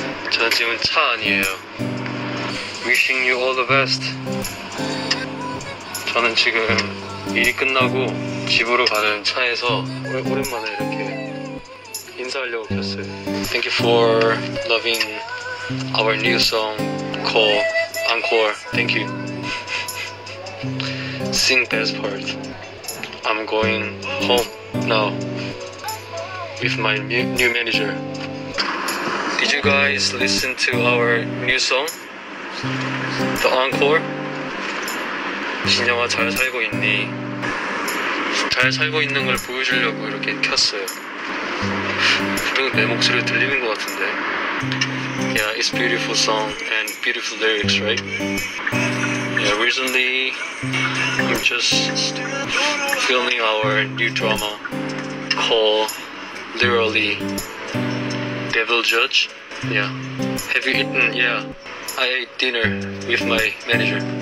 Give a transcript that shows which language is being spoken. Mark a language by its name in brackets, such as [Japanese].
[English] 저는 지금 차 아니에요. Wishing you all the best. [Korean] 저는 지금 일이 끝나고 집으로 가는 차에서 오랜만에 이렇게 인사하려고 켰어요. [English] Thank you for loving our new song called Encore. Thank you. Sing best part. I'm going home now with my new manager. Did you guys listen to our new song? [Korean] The Encore? 진영아 잘 살고 있니? 잘 살고 있는 걸 보여주려고 이렇게 켰어요. 그리고 내 목소리 들리는 것 같은데. [English] Yeah, it's a beautiful song and beautiful lyrics, right? Yeah, recently I'm just filming our new drama called Literally Devil Judge. Yeah. Have you eaten? Yeah. I ate dinner with my manager.